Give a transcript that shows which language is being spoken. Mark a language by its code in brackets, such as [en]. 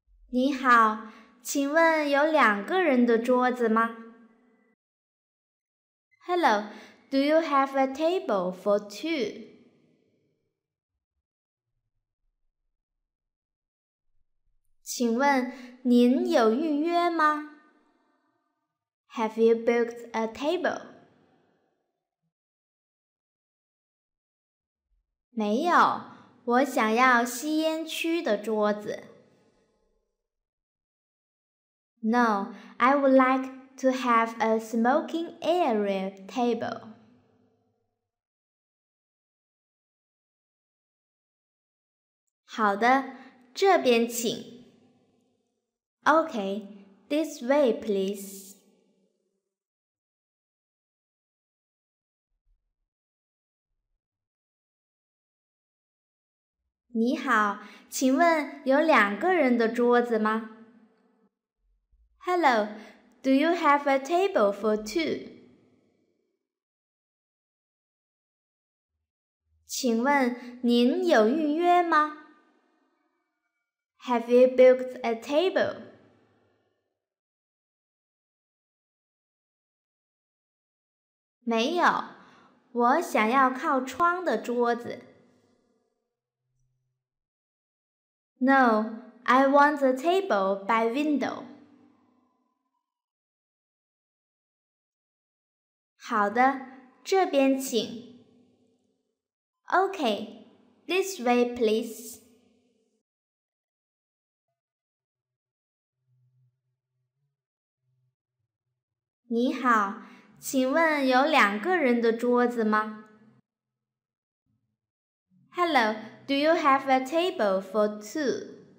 [zh] 你好，请问有两个人的桌子吗？ [en] Hello, do you have a table for two? [zh] 请问您有预约吗？ [en] Have you booked a table? [zh] 没有，我想要吸烟区的桌子。 [en] No, I would like to have a smoking area table. [zh] 好的，这边请。 [en] Okay, this way, please. [zh] 你好，请问有两个人的桌子吗？ [en] Hello, do you have a table for two? [zh] 请问您有预约吗? [en] Have you booked a table? [zh] 没有,我想要靠窗的桌子。 [en] No, I want a table by window. [zh] 好的,这边请。 [en] Okay, this way please. [zh] 你好,请问有两个人的桌子吗? [en] Hello, do you have a table for two?